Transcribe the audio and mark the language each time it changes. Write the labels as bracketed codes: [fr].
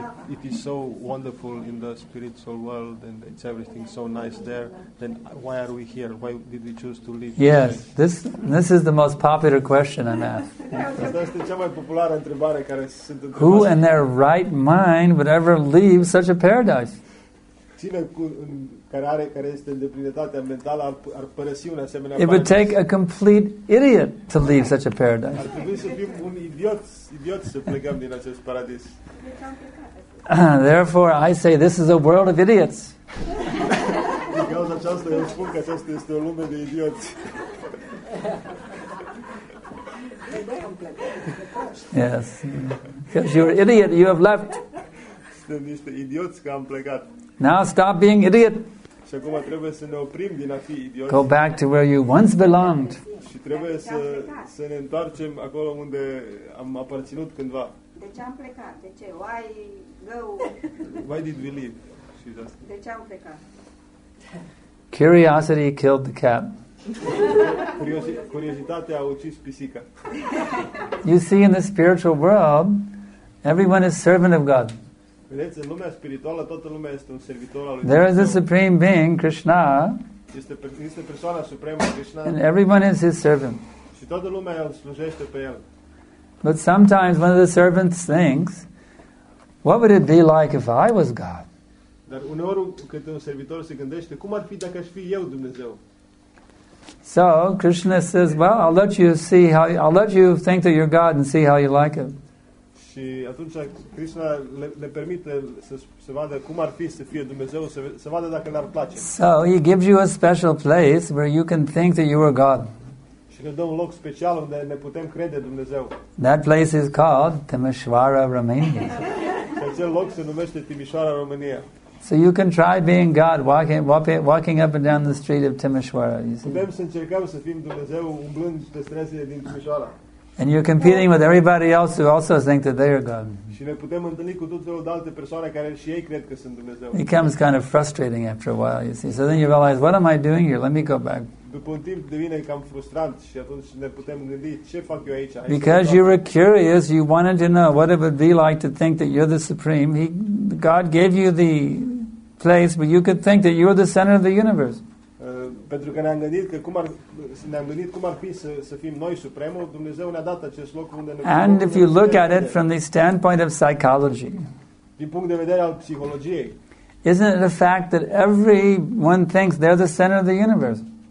[en] It is so wonderful in the spiritual world and it's everything so nice there, then why are we here? Why did we choose to live? Yes, this is the most popular question I'm asked. [ro] Asta este cea mai populară întrebare care se întâmplă. [en] Who in their right mind would ever leave such a paradise? [ro] Cine care este îndeplinitatea mentală ar părăsi un asemenea [en] paradis? It would take a complete idiot to leave such a paradise. [ro] Ar trebui să fim un idiot să plecăm din acest paradis. [en] Therefore, I say this is a world of idiots. [ro] Din cauza aceasta, eu spun că aceasta este o lume de idioți. [en] Yes. Because you're an idiot, you have left. [ro] Suntem niște idioți că am plecat. [en] Now stop being idiot. [ro] Și acum trebuie să ne oprim din a fi idioți. [en] Go back to where you once belonged. [ro] Și trebuie să ne întoarcem acolo unde am aparținut cândva. De ce am plecat? De ce? [en] Why go? Why did we leave? [ro] De ce am plecat? [en] Curiosity killed the cat. [ro] Curiozitatea a ucis pisica. [en] You see, in the spiritual world, everyone is servant of God. [ro] Vedeți, în lumea spirituală, toată lumea este un servitor al lui [en] There [ro] Dumnezeu. [en] Is a supreme being, Krishna. [ro] Este persoana supremă, Krishna. [en] And everyone is his servant. [ro] Și toată lumea îl slujește pe el. [en] But sometimes one of the servants thinks, what would it be like if I was God? [ro] Dar uneori când un servitor se gândește, cum ar fi dacă aș fi eu Dumnezeu? [en] So, Krishna says, well, I'll let you think that you're God and see how you like it. [ro] Și atunci Krishna le permite să vadă cum ar fi să fie Dumnezeu, să vadă dacă le-ar place. [en] So he gives you a special place where you can think that you are God. [ro] Și ne dă un loc special unde ne putem crede Dumnezeu. [en] That place is called Timișoara, România. [ro] Și acel loc se numește Timișoara, România. [en] So you can try being God walking up and down the street of Timișoara. [ro] Putem să încercăm să fim Dumnezeu umblând pe străzile din Timișoara. [en] And you're competing with everybody else who also think that they are God. [ro] Și ne putem întâlni cu tot felul de alte persoane care și ei cred că sunt Dumnezeu. [en] It becomes kind of frustrating after a while, you see. So then you realize, what am I doing here? Let me go back. [ro] După un timp devine cam frustrant și atunci ne putem gândi, ce fac eu aici? [en] Because you were curious, you wanted to know what it would be like to think that you're the supreme. God gave you the place where you could think that you're the center of the universe. [ro] pentru că ne-am gândit că cum ar fi să fim noi supremul, Dumnezeu ne-a dat acest loc unde ne. [en] And if you look at it from the standpoint of psychology. [ro] Din punct de vedere al psihologiei. [en] Isn't it a fact that everyone thinks they're the center of the universe?